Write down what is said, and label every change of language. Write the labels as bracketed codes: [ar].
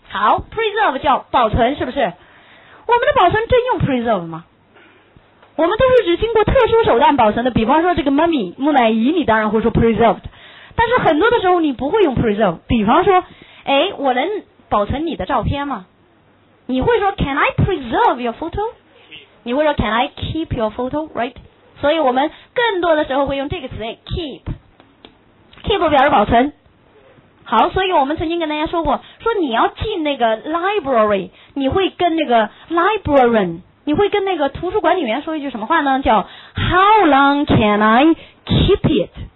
[zh] 好 ，preserve 叫保存，是不是？我们的保存真用 preserve 吗？我们都是指经过特殊手段保存的，比方说这个 mummy 木乃伊，你当然会说 preserved， 但是很多的时候你不会用 preserve。比方说，哎，我能保存你的照片吗？你会说 [en] can I preserve your photo？ 你会说 can I keep your photo？ Right？ [zh] 所以我们更多的时候会用这个词 keep。 keep 表示保存。好，所以我们曾经跟大家说过，说你要进那个 library， 你会跟那个 librarian， 你会跟那个图书管理员说一句什么话呢？叫 [en] How long can I keep it？